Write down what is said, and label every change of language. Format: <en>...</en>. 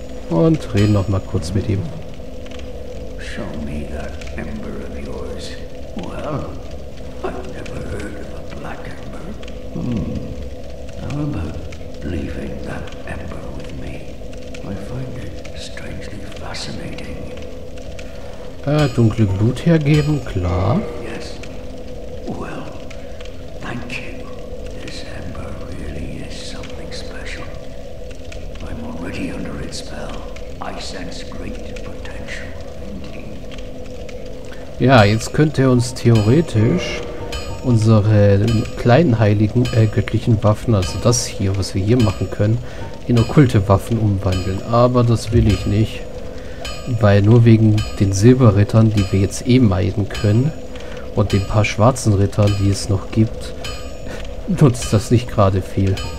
<de>Und reden noch mal kurz mit ihm.</de> <en>Show me that ember of yours. Well, I've never heard of a black ember. How about leaving that ember with me? I find it strangely fascinating.</en> <de>Dunkle Blut hergeben, klar.</de> <en>Yes. Well, thank you. This ember really is something special. I'm already under its spell. I sense great potential.</en> <de>Ja, jetzt könnte er uns theoretisch unsere kleinen heiligen göttlichen Waffen, also das hier, was wir hier machen können, in okkulte Waffen umwandeln. Aber das will ich nicht, weil nur wegen den Silberrittern, die wir jetzt eh meiden können, und den paar schwarzen Rittern, die es noch gibt, nutzt das nicht gerade viel.</de>